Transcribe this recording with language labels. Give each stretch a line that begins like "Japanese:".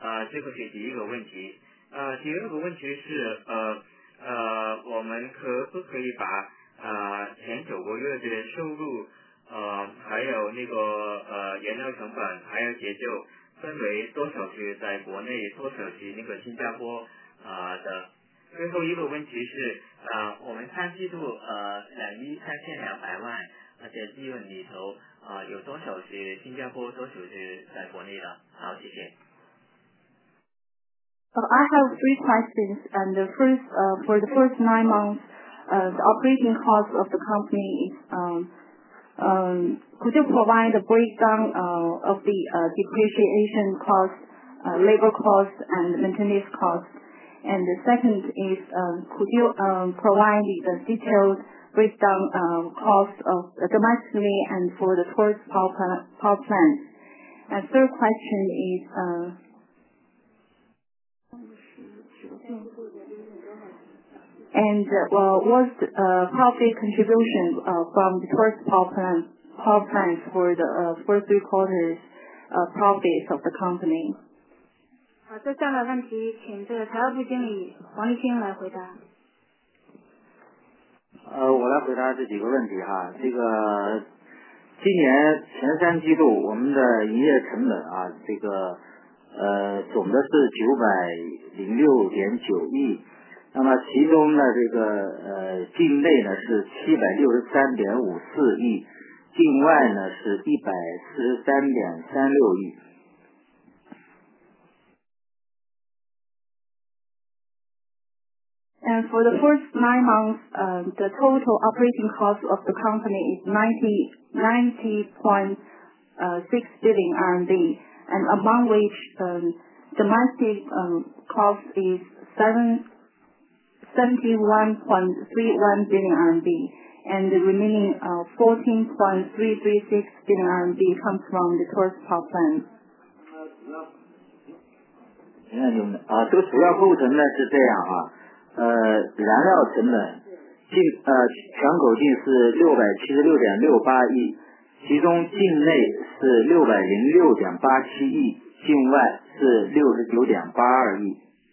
Chinese: 这个是第一个问题。第二个问题是，我们可不可以把前九个月的收入，还有那个原料成本，还有结构，分为多少是在国内，多少是那个新加坡的？最后一个问题是，我们三季度2.23亿，而且利润里头有多少是新加坡，多少是在国内的？好，谢谢。
English: I have three questions, and the first, for the first 9 months, the operating cost of the company is, could you provide a breakdown, of the, depreciation cost, labor cost, and maintenance cost? And the second is, could you, provide the detailed breakdown, cost of domestically and for the tourist power plant? And third question is, And what's the profit contribution from the first power plant for the first three quarters profits of the company?
Chinese: 好，这三个问题请这个财务部经理黄立新来回答。我来回答这几个问题哈。这个今年前三季度我们的营业成本啊，这个总的是906.9亿。那么其中呢，这个境内呢是763.54亿，境外呢是143.36亿。
English: And for the first 9 months, the total operating cost of the company is 90.6 billion RMB, and among which domestic cost is 71.31 billion RMB, and the remaining 14.336 billion RMB comes from the tourist power plant.
Chinese: 这个主要构成呢是这样啊，燃料成本净全口径是676.68亿，其中境内是606.87亿，境外是69.82亿。